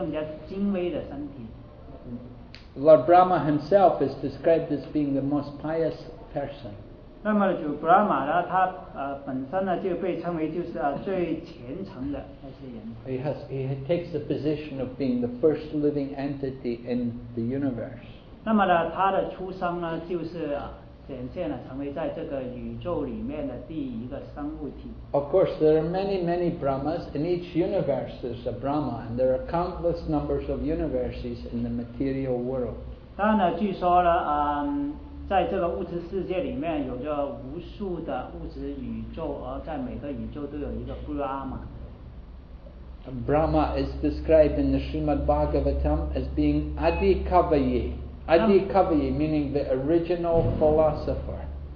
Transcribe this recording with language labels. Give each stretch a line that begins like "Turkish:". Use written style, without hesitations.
Chinese: 而这好像布拉玛的那个星球那里的那些生物体呢，他们就是有着更加精微的身体。
English: Lord Brahma himself is described as being the most pious person.
Chinese: 那么就布拉玛呢，他本身呢就被称为就是最虔诚的那些人。
English: He takes the position of being the first living entity in the universe.
Chinese: 那么呢，他的出生呢，就是显现了成为在这个宇宙里面的第一个生物体。
English: Of course, there are many Brahmas in each universe. There's a Brahma, and there are countless numbers of universes in the material world.
Chinese: 当然呢，据说呢，在这个物质世界里面有着无数的物质宇宙，而在每个宇宙都有一个布拉玛。
English: Brahma is described in the Srimad Bhagavatam as being Adi Kavaye. Adi Kavaye meaning the original philosopher.